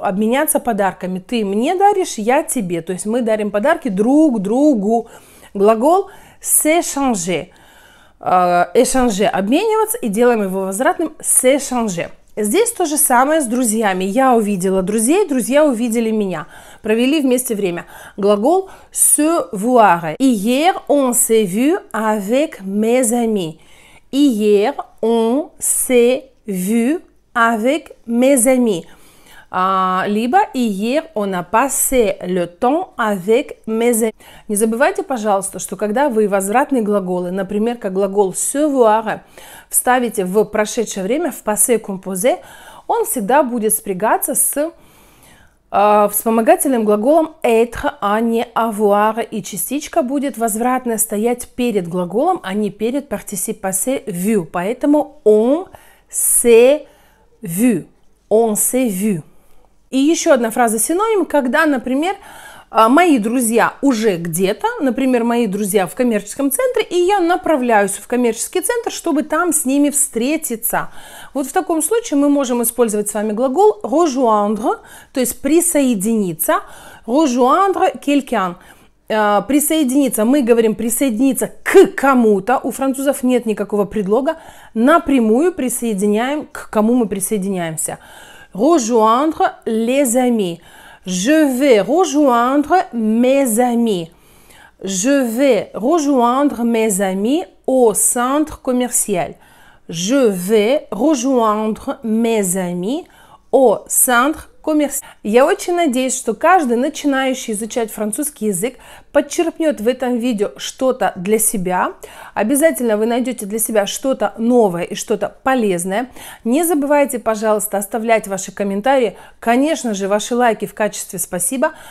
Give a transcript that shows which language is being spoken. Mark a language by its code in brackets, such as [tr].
[ru] Обменяться подарками. Ты мне даришь, я тебе. То есть мы дарим подарки друг другу. Глагол s'échanger. Échanger – обмениваться, и делаем его возвратным s'échanger. Здесь то же самое с друзьями. Я увидела друзей, друзья увидели меня. Провели вместе время. Глагол [fr] se voir. Hier on s'est vu avec mes amis. Hier on s'est vu avec mes amis. [ru] Либо [fr] hier on a passé le temps avec mes amis. [ru] Не забывайте, пожалуйста, что когда вы возвратные глаголы, например, как глагол se voir, вставите в прошедшее время, в passé composé, он всегда будет спрягаться с вспомогательным глаголом être, а не avoir, и частичка будет возвратная стоять перед глаголом, а не перед participe passé vu. Поэтому [fr] on s'est vu, on s'est vu. [ru] И еще одна фраза синоним, когда, например, мои друзья уже где-то, например, мои друзья в коммерческом центре, и я направляюсь в коммерческий центр, чтобы там с ними встретиться. Вот в таком случае мы можем использовать с вами глагол rejoindre, то есть присоединиться. [fr] Rejoindre quelqu'un. [ru] Присоединиться. Мы говорим присоединиться к кому-то. У французов нет никакого предлога. Напрямую присоединяем, к кому мы присоединяемся. [fr] Rejoindre les amis. Je vais rejoindre mes amis. Je vais rejoindre mes amis au centre commercial. Je vais rejoindre mes amis au centre commercial. [ru] Я очень надеюсь, что каждый начинающий изучать французский язык подчерпнет в этом видео что-то для себя. Обязательно вы найдете для себя что-то новое и что-то полезное. Не забывайте, пожалуйста, оставлять ваши комментарии, конечно же, ваши лайки в качестве спасибо.